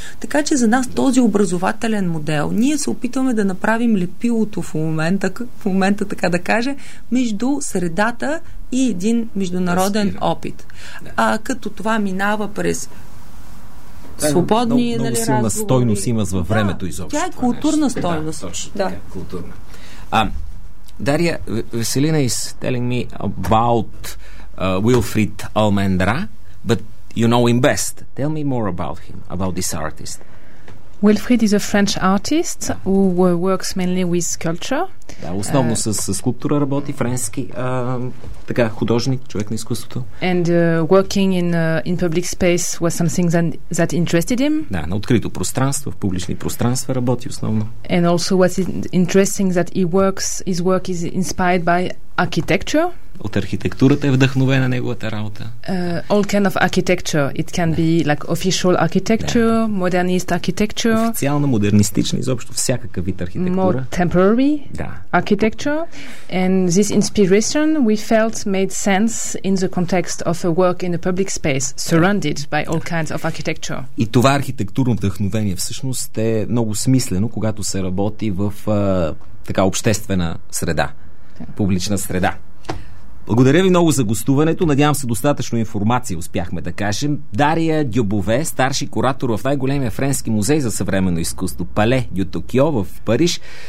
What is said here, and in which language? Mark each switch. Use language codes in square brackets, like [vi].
[bg] Така че за нас този образователен модел, ние се опитваме да направим лепилото в момента, така да кажа, между средата и един международен опит. Да. Като това минава през свободни, много, нали, разговори. Много силна стойност има във времето изобщо. Тя е културна стойност. Да, културна. [en] Дария, Веселина is telling me about Wilfried Almendra, but you know him best. Tell me more about him, about this artist. Wilfried is a French artist who works mainly with sculpture. [bg] Да, основно с скулптура работи, френски, така, художник, човек на изкуството. [en] And working in public space was something that interested him. [bg] Да, на открито пространство, в публични пространства работи основно. [en] And also was interesting that his work is inspired by architecture. [bg] От архитектурата е вдъхновена неговата работа. [en] All kind of architecture. It can be like official architecture, modernist architecture. [bg] Официална, модернистична, изобщо всякакъв вид архитектура. [en] More temporary architecture. And this inspiration we felt made sense in the context of a work in a public space surrounded by all kinds of architecture. [bg] И това архитектурно вдъхновение всъщност е много смислено, когато се работи в така обществена среда, публична среда. Благодаря ви много за гостуването. Надявам се, достатъчно информация успяхме да кажем. Дария Дюбове, старши куратор в най-големия френски музей за съвременно изкуство Пале Дю Токио в Париж.